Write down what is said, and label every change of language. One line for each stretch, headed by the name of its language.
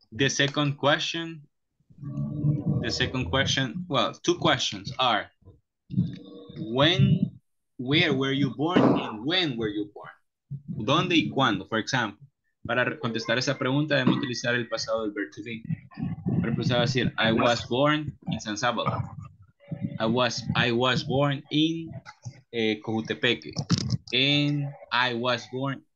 English: The second question, well, two questions are, where were you born and when were you born?
Spanish: ¿Dónde y cuándo?
English: For example,
Spanish: para contestar esa pregunta debemos utilizar el pasado del verbo to be. Por ejemplo, se va a decir,
English: I was born in San Salvador. I was born in Cojutepeque. And I was born